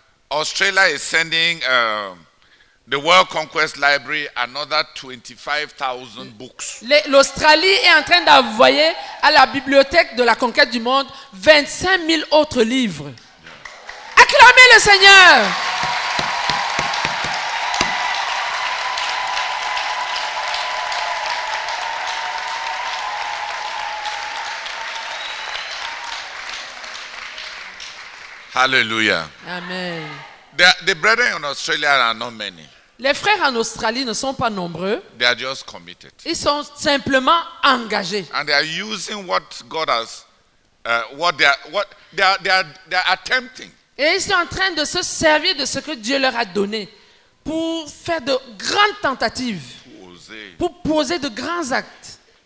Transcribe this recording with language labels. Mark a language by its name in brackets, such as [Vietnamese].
[English] Australia is sending the World Conquest Library another 25,000 books. [French] L'Australie est en train d'envoyer à la bibliothèque de la conquête du monde 25 000 autres livres. Yeah. Acclamez le Seigneur. Hallelujah. Amen. [English] The brethren in Australia are not many. [French] Les frères en Australie ne sont pas nombreux. [English] They are just committed. [French] Ils sont simplement engagés. [English] And they are using what God has, what they are attempting. [French] Et ils sont en train de se servir de ce que Dieu leur a donné pour faire de grandes tentatives, pour poser de grands actes,